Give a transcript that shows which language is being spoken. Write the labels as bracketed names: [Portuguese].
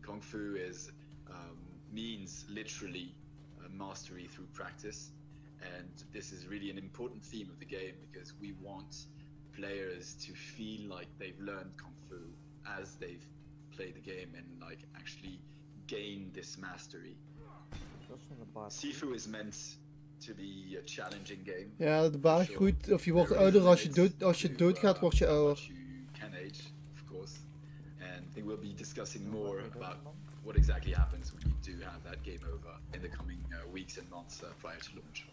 [English] Kung Fu is means literally mastery through practice, and this is really an important theme of the game because we want players to feel like they've learned Kung Fu as they've played the game and like actually gain this mastery. Sifu is meant to be a challenging game. [Dutch] Ja, de baas groeit, of je wordt ouder als je dood gaat, word je ouder. [English] You can age, of course. And they will be discussing more about what exactly happens when you do have that game over in the coming weeks and months prior to launch.